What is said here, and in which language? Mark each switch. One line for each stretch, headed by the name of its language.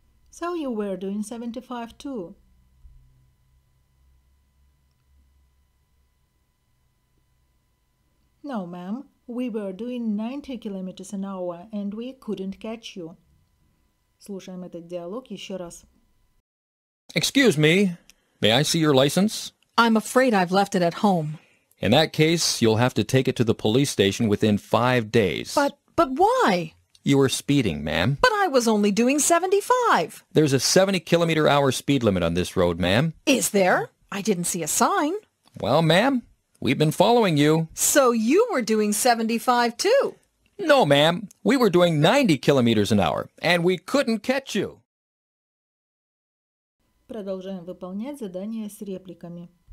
English: So you were doing 75 too. No, ma'am, we were doing 90 km/h and we couldn't catch you.
Russian: Слушаем этот диалог еще раз.
English: Excuse me, may I see your license? I'm afraid I've left it at home. In that case, you'll have to take it to the police station within 5 days. But why? You were speeding, ma'am. But I was only doing 75. There's a 70 km/h speed limit on this road, ma'am. Is there? I didn't see a sign. Well, ma'am, we've been following you. So you were doing 75 too? No, ma'am. We were doing 90 km/h, and we couldn't catch you.
Russian: Продолжаем выполнять задание с репликами.